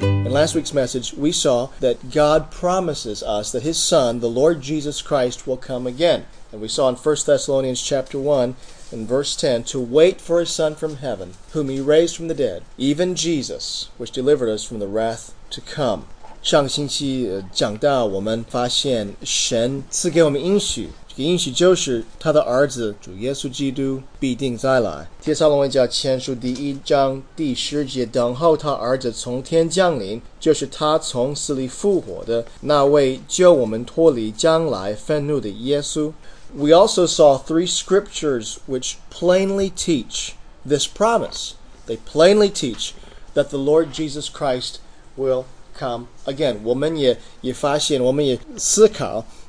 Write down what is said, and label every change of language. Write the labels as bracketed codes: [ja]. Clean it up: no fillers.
[en] last week's message, we saw that God promises us that His Son, the Lord Jesus Christ, will come again. And we saw in 1 Thessalonians chapter 1, in verse 10, to wait for His Son from heaven, whom He raised from the dead, even Jesus, which delivered us from the wrath to come. [zh] 上星期讲到我们发现神赐给我们应许, 这个应许就是他的儿子主耶稣基督必定再来。帖撒罗尼迦前书第一章第十节，等候他儿子从天降临，就是他从死里复活的那位救我们脱离将来愤怒的耶稣。 [en] We also saw three scriptures which plainly teach this promise. They plainly teach that the Lord Jesus Christ will come again. [zh] 我们也发现，我们也思考。